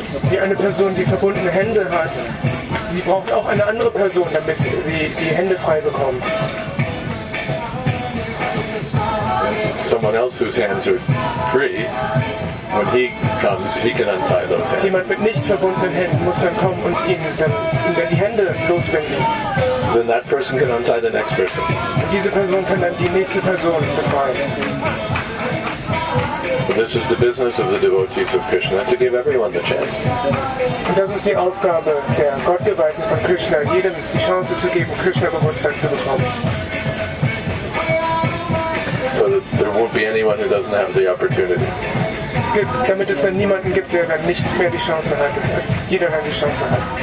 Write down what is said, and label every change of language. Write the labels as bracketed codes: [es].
[de] Wie eine Person, die verbundene Hände hat, sie braucht auch eine andere Person, damit sie die Hände frei bekommt. [en] Someone else whose hands are free, when he comes, he can untie those hands. [de] Jemand mit nicht verbundenen Händen muss dann kommen und ihnen dann die Hände losbinden. [en] Then that person can untie the next person. [de] Und diese Person kann dann die nächste Person befreien. [en] So this is the business of the devotees of Krishna, to give everyone the chance. [de] Und das ist die Aufgabe der Gottgeweihten von Krishna, jedem die Chance zu geben, Krishna-Bewusstsein zu bekommen. [en] So that there won't be anyone who doesn't have the opportunity. [de] Es gibt, damit es dann niemanden gibt, der dann nicht mehr die Chance hat, das heißt, jeder dann die Chance hat.